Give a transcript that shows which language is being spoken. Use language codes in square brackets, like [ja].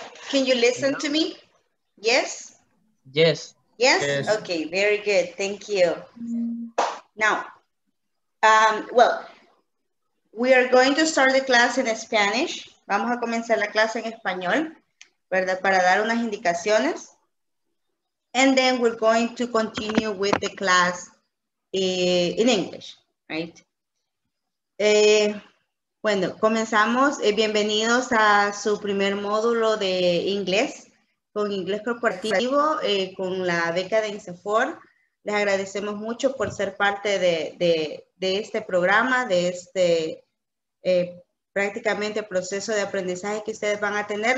[en] Can you listen to me? Yes? Yes. Yes? Okay, very good. Thank you. Now, well, we are going to start the class in Spanish. [es] Vamos a comenzar la clase en español, ¿verdad? Para dar unas indicaciones. [en] And then we're going to continue with the class in English, right? [es] Bueno, comenzamos. Bienvenidos a su primer módulo de inglés, con inglés corporativo, con la beca de INSEFOR. Les agradecemos mucho por ser parte de este programa, de este prácticamente proceso de aprendizaje que ustedes van a tener.